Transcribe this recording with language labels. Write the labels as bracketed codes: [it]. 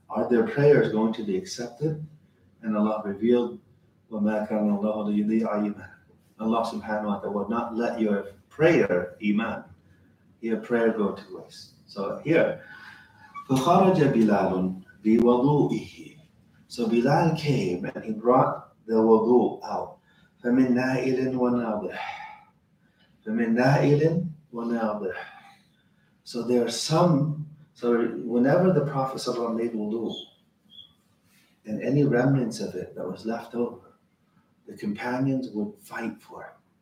[en] Are their prayers going to be accepted? And Allah revealed, [ar] وَمَا كَانَ اللَّهُ لِيُضِيعَ إِيمَانَ. [en] Allah subhanahu wa ta'ala would not let your prayer, iman, your prayer go to waste. [ar] So here, فَخَرَجَ بِلَالٌ بِوَضُوئِهِ. [en] So Bilal came and he brought the wudu out. [ar] فَمِن نَائِلٍ وَنَاضِحٍ. فَمِن نَائِلٍ وَنَاضِحٍ. [en] So there are some, so whenever the Prophet ﷺ made wudu, and any remnants of it that was left over, the companions would fight for it.